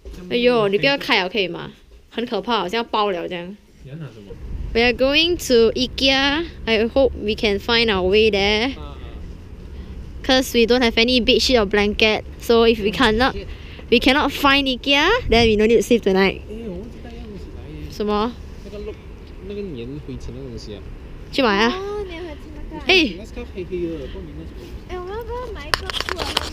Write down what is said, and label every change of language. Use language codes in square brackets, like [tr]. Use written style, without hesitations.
[zh] 哎呦，你不要开了可以吗？很可怕，好像要爆了这样。 [en] We are going to IKEA. I hope we can find our way there. Cause we don't have any bed sheet or blanket. So if we cannot, we cannot find IKEA, then we no need to sleep tonight. [zh] 哎，我忘记带样东西来耶。什么？那个粘灰尘的东西啊。去买啊。哦，粘灰尘那个。哎。哎，我们要不要买一个出来？